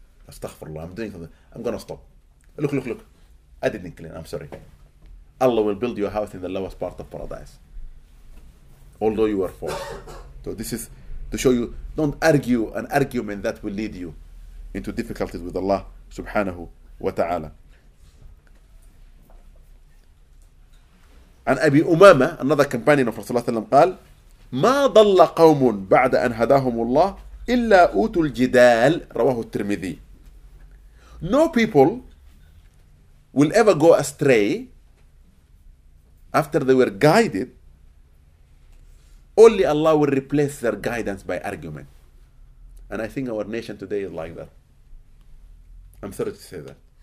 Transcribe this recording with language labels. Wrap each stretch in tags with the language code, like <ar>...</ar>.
<en>Astaghfirullah, I'm doing something. I'm going to stop. Look, look, look. I didn't clean, I'm sorry. Allah will build you a house in the lowest part of paradise. Although you are false. So this is to show you, don't argue an argument that will lead you into difficulties with Allah subhanahu wa ta'ala.</en> <ar>عن أبي أمامة</ar> <en>another companion of Rasulullah sallam</en> <ar>قال ما ضل قوم بعد أن هداهم الله إلا أوتوا الجدال رواه الترمذي.</ar> <en>No people will ever go astray after they were guided. Only Allah will replace their guidance by argument. And I think our nation today is like that. I'm sorry to say that.</en>